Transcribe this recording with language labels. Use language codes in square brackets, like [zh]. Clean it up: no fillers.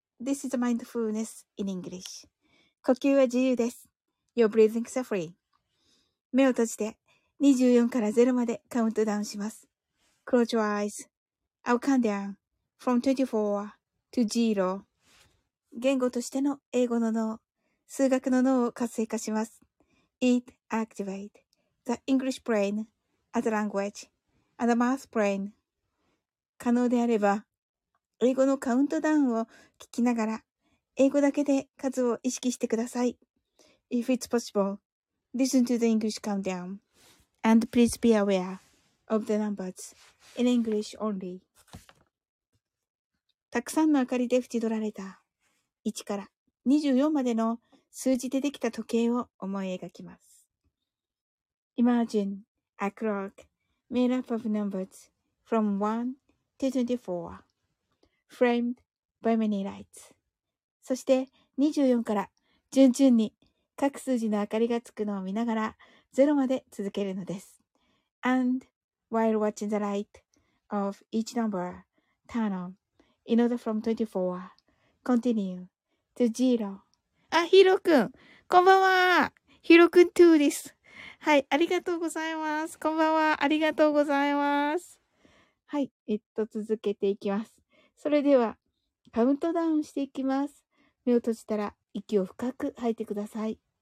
[en] This is mindfulness in English. [ja] 呼吸は自由です。 [en] You're breathing so free. [ja] 目を閉じて24から0までカウントダウンします。 [en] Close your eyes. I'll count down from 24 to 0. [ja] 言語としての英語の脳、数学の脳を活性化します。 [en] It activates the English brain as a language. アダマースプレイン。 [ja] 可能であれば、英語のカウントダウンを聞きながら、英語だけで数を意識してください。 [en] If it's possible, listen to the English countdown. And please be aware of the numbers in English only. [ja] たくさんの明かりで縁取られた1から24までの数字でできた時計を思い描きます。 [en] Imagine a clock. Made up of numbers from 1 to 24, framed by many lights. [ja] そして24から順々に各数字の明かりがつくのを見ながら0まで続けるのです。 [en] And while watching the light of each number turn on in order from 24, continue to 0. [ja] あ、ヒロ君、こんばんは。ヒロ君2です。はい、ありがとうございます。こんばんは、ありがとうございます。はい、続けていきます。それでは、カウントダウンしていきます。目を閉じたら、息を深く吐いてください。